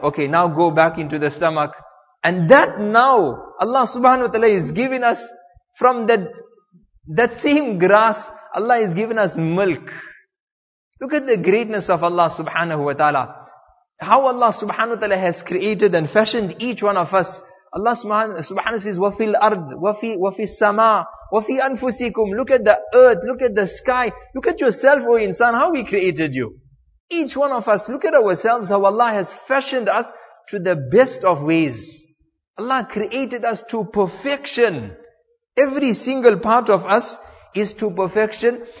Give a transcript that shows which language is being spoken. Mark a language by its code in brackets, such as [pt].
[en] Okay, now go back into the stomach. And that now, Allah subhanahu wa ta'ala is giving us from that same grass, Allah is giving us milk. Look at the greatness of Allah subhanahu wa ta'ala. How Allah subhanahu wa ta'ala has created and fashioned each one of us. Allah subhanahu says, [ar] وَفِي الْأَرْضِ وَفِي السَّمَاءِ وَفِي أَنفُسِكُمْ. [en] Look at the earth, look at the sky, look at yourself, O insan, how we created you. Each one of us, look at ourselves, how Allah has fashioned us to the best of ways. Allah created us to perfection. Every single part of us is to perfection.